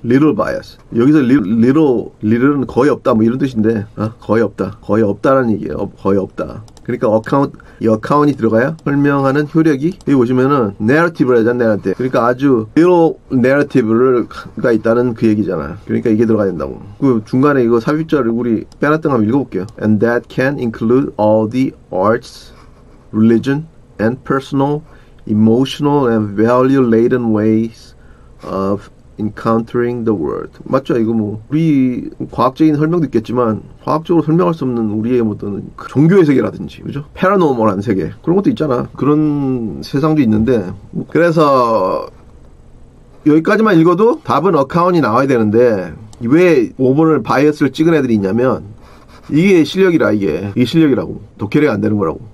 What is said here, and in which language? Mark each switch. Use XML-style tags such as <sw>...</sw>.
<ko>리로 바이어스 여기서 리로 리로는 거의 없다 뭐 이런 뜻인데 거의 없다 거의 없다라는 얘기예요. 거의 없다. 그러니까 어카운트 이 어카운트이 들어가야 설명하는 효력이 여기 보시면은 내러티브를 하잖아. 내러티브 그러니까 아주 리로 내러티브가 있다는 그 얘기잖아. 그러니까 이게 들어가야 된다고. 그 중간에 이거 삽입자를 우리 빼놨던 거 한번 읽어볼게요.</ko> <en>And that can include all the arts, religion, and personal, emotional, and value-laden ways of encountering the world.</en> <ko>맞죠? 이거 뭐 우리 과학적인 설명도 있겠지만 과학적으로 설명할 수 없는 우리의 어떤 그 종교의 세계라든지 그죠? 패러노멀한 세계 그런 것도 있잖아. 그런 세상도 있는데 뭐 그래서 여기까지만 읽어도 답은 어카운이 나와야 되는데 왜 5번을 바이어스를 찍은 애들이 있냐면 이게 실력이라 이게 실력이라고 독해력이 안 되는 거라고.</ko>